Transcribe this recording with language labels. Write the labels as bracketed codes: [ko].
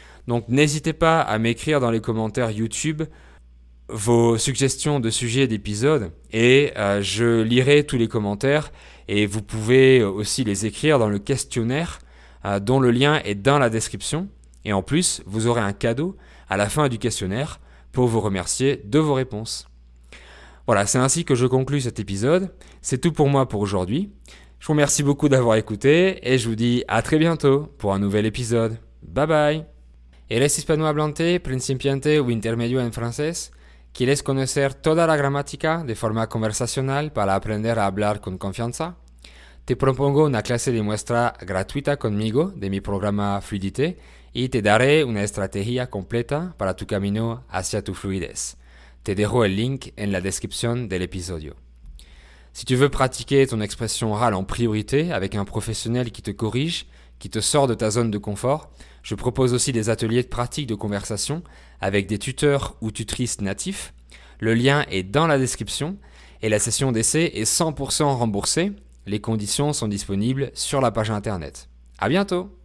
[fr] Donc n'hésitez pas à m'écrire dans les commentaires YouTube vos suggestions de sujets d'épisodes et je lirai tous les commentaires et vous pouvez aussi les écrire dans le questionnaire dont le lien est dans la description. Et en plus, vous aurez un cadeau à la fin du questionnaire pour vous remercier de vos réponses. Voilà, c'est ainsi que je conclus cet épisode. C'est tout pour moi pour aujourd'hui. Je vous remercie beaucoup d'avoir écouté et je vous dis à très bientôt pour un nouvel épisode. Bye bye! [es] ¿Eres hispanohablante, principiante o intermedio en francés? ¿Quieres conocer toda la gramática de forma conversacional para aprender a hablar con confianza? Te propongo una clase de muestra gratuita conmigo de mi programa Fluidité y te daré una estrategia completa para tu camino hacia tu fluidez. Te dejo el link en la descripción del episodio. [fr] Si tu veux pratiquer ton expression orale en priorité avec un professionnel qui te corrige, qui te sort de ta zone de confort, je propose aussi des ateliers de pratique de conversation avec des tuteurs ou tutrices natifs. Le lien est dans la description et la session d'essai est 100% remboursée. Les conditions sont disponibles sur la page internet. À bientôt !